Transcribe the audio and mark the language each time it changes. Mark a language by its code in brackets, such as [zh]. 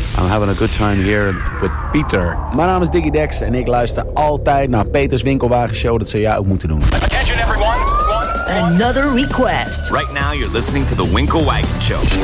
[en] I'm having a good time here with Peter. My name is Diggy Dex, and [nl] ik luister altijd naar Peter's Winkelwagen Show. Dat zou jij ook moeten doen. [en] Attention, everyone. Another request. Right now you're listening to the Winkelwagen Show.